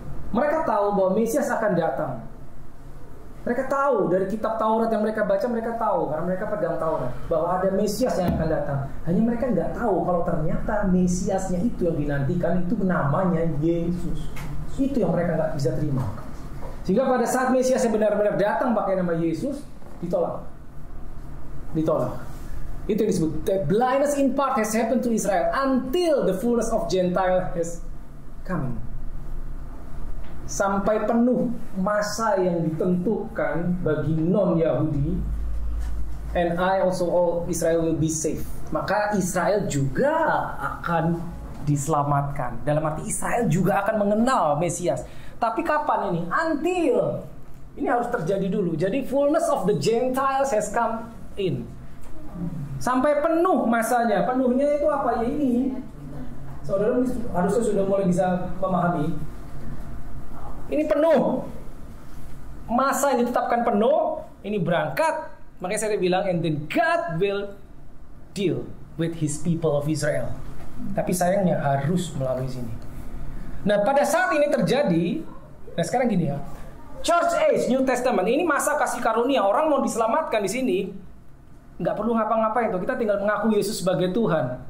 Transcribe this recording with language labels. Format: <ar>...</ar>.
<id>Mereka tahu bahwa Mesias akan datang. Mereka tahu dari kitab Taurat yang mereka baca, mereka tahu karena mereka pegang Taurat bahwa ada Mesias yang akan datang. Hanya mereka enggak tahu kalau ternyata Mesiasnya itu yang dinantikan itu namanya Yesus. Itu yang mereka enggak bisa terima. Sehingga pada saat Mesias yang benar-benar datang pakai nama Yesus, ditolak. Ditolak. Itu yang disebut</id> <en>the blindness in part has happened to Israel until the fullness of Gentile has come.</en> <id>Sampai penuh masa yang ditentukan bagi non-Yahudi,</id> <en>and I also all Israel will be saved.</en> <id>Maka Israel juga akan diselamatkan. Dalam arti Israel juga akan mengenal Mesias. Tapi kapan ini? Until. Ini harus terjadi dulu. Jadi</id> <en>fullness of the Gentiles has come in.</en> <id>Sampai penuh masanya. Penuhnya itu apa? Ya ini. Saudara harusnya sudah mulai bisa memahami. Ini penuh. Masa yang ditetapkan penuh, ini berangkat. Makanya saya bilang,</id> <en>and then God will deal with his people of Israel.</en> <id>Tapi sayangnya harus melalui sini. Nah, pada saat ini terjadi, nah sekarang gini ya. Church Age, New Testament, ini masa kasih karunia. Orang mau diselamatkan di sini, nggak perlu ngapa-ngapain tuh. Kita tinggal mengaku Yesus sebagai Tuhan.</id>